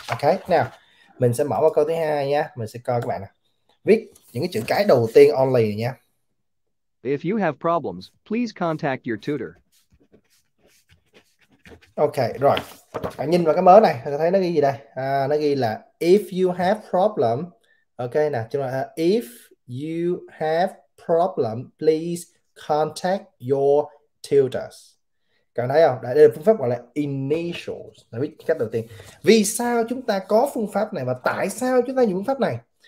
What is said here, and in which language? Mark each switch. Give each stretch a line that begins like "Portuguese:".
Vietnamese: Ok, nào mình sẽ mở vào câu thứ hai nha. Mình sẽ coi các bạn nè. Viết những cái chữ cái đầu tiên only này nha.
English: If you have problems, please contact your tutor.
Vietnamese: Ok, rồi. Bạn nhìn vào cái mớ này, bạn thấy nó ghi gì đây? À, nó ghi là
English: if you have problem. Ok,
Vietnamese: nè, chúng ta
English: if you have problem, please contact your tutors.
Vietnamese: Cảm thấy không? Đây là phương pháp gọi là initials, là viết cách đầu tiên. Vì sao chúng ta có phương pháp này và tại sao chúng ta dùng phương pháp này?